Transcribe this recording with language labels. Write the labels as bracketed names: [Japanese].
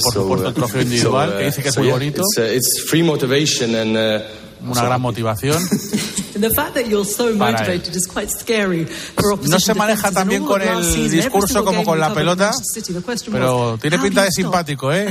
[Spanish] Y por supuesto el trofeo individual que dice que es muy bonito. [English] It's free motivation and [Spanish] una gran motivación. [English] The fact that you're so motivated is quite scary for [Spanish] no se maneja tan bien con el discurso como con la pelota, pero tiene pinta de simpático, ¿eh?